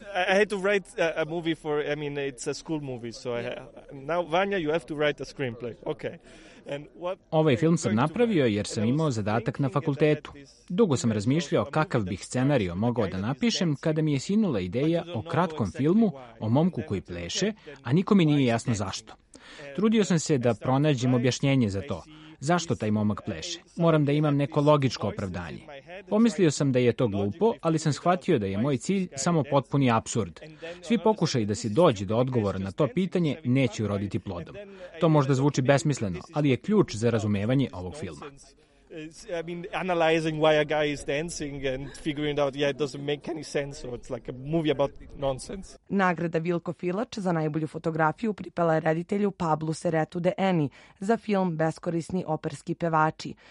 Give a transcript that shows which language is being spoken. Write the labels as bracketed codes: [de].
[en] I had to write a movie for, I mean, it's a school movie, so I now Vanya, you have to write a screenplay. Okay. [sr] Ovaj film sam napravio jer sam imao zadatak na fakultetu. Dugo sam razmišljao kakav bih scenario mogao da napišem kada mi je sinula ideja o kratkom filmu o momku koji pleše, a nikome nije jasno zašto. Trudio sam se da pronađem objašnjenje za to. Zašto taj momak pleše? Moram da imam neko logičko opravdanje. Pomislio sam da je to glupo, ali sam shvatio da je moj cilj samo potpuni apsurd. Svi pokušaji da se dođe do odgovora na to pitanje neće uroditi plodom. To možda zvuči besmisleno, ali je ključ za razumevanje ovog filma. [en] Analyzing why a guy is dancing and figuring out it doesn't make any sense, so it's like a movie about nonsense. [sr] Nagrada Vilko Filač za najbolju fotografiju pripala je reditelju Pablu Seretu de Eni za film Beskorisni operski pevači.